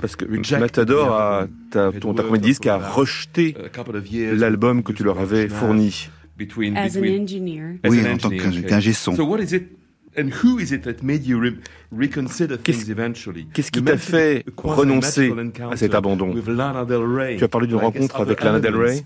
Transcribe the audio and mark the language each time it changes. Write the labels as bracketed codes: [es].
[fr] parce que Matador ton premier disque a rejeté l'album que tu leur avais fourni. Oui, en tant qu'ingé son. [en] So what is it? And who is it that made you reconsider things eventually? [fr] Qu'est-ce qui t'a fait renoncer à cet abandon? [en] With Lana Del Rey. [fr] Tu as parlé d'une rencontre avec Lana Del Rey.